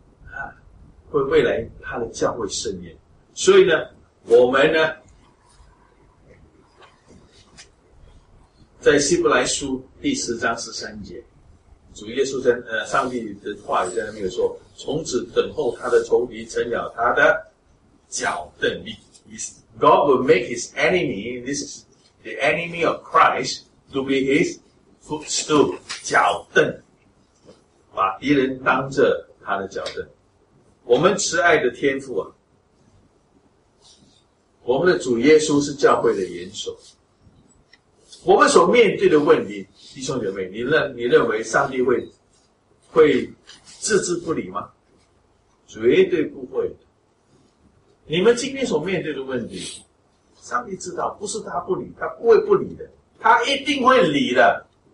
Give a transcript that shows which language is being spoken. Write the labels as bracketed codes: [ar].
[zh] 啊，为未来他的教会伸冤。所以呢，我们呢，在希伯来书第十章十三节，主耶稣在上帝的话语在那边有说，从此等候他的仇敌成了他的脚凳。 [en] God will make his enemy, this is the enemy of Christ, to be his footstool, [zh] 脚凳，把敌人当着他的脚凳。我们慈爱的天父啊，我们的主耶稣是教会的元首。我们所面对的问题，弟兄姐妹，你认为上帝会置之不理吗？绝对不会的。你们今天所面对的问题，上帝知道，不是他不理，他不会不理的，他一定会理的。